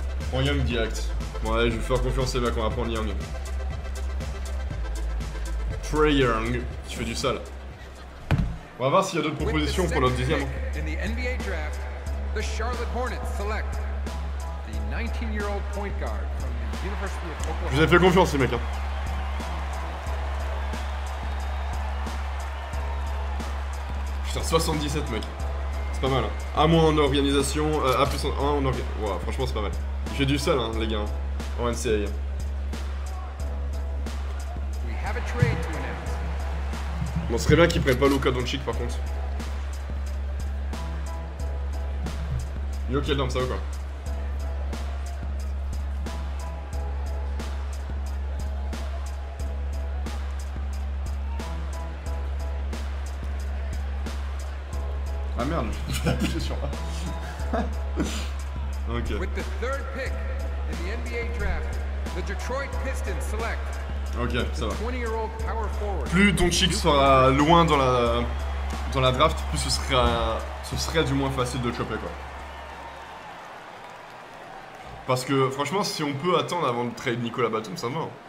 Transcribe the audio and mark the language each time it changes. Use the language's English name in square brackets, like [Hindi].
[French] Prends Young direct. Bon allez, je vais faire confiance les mecs, on va prendre Young. Trae Young. Tu fais du sale. On va voir s'il y a d'autres propositions pour notre dixième. [English] In the NBA draft, the Charlotte Hornets select the 19-year-old point guard from the University of Oklahoma. [French] Je vous ai fait confiance, les mecs. Hein. Putain, 77, mec. C'est pas mal. Hein. A moins en organisation, A plus en... Wow, franchement, c'est pas mal. J'ai du sale, hein, les gars, hein, en NCAA. [English] We have a trade to announce. [French] Bon, ce serait bien qu'ils prennent pas Luka Doncic, par contre. Yo, quel dame, ça va, quoi. Ah merde, je peux pas appuyer sur A. Ok. [English] With the third pick in the NBA draft, the Detroit Pistons select. [French] Ok, ça va. Plus Doncic sera loin dans la draft, plus ce serait du moins facile de choper, quoi. Parce que franchement, si on peut attendre avant de trade Nicolas Batum, ça me va.